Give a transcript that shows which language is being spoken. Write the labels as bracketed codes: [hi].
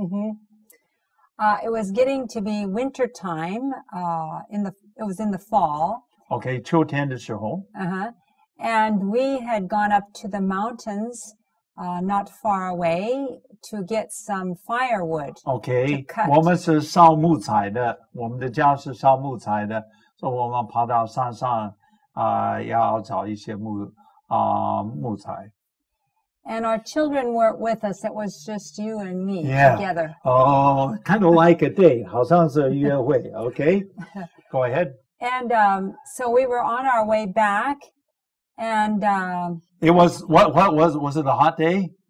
[en] Mm-hmm. It was getting to be winter time. It was in the fall. [zh] Okay, 秋天的时候. Uh-huh. [en] And we had gone up to the mountains not far away to get some firewood. [zh] Okay, 我们是烧木材的,我们的家是烧木材的, 所以我们跑到山上, 要找一些木, 木材. [en] And our children weren't with us, it was just you and me together. Oh, kind of like a date, [zh] 好像是约会, [en] okay? Go ahead. And so we were on our way back. And it was, was it a hot day?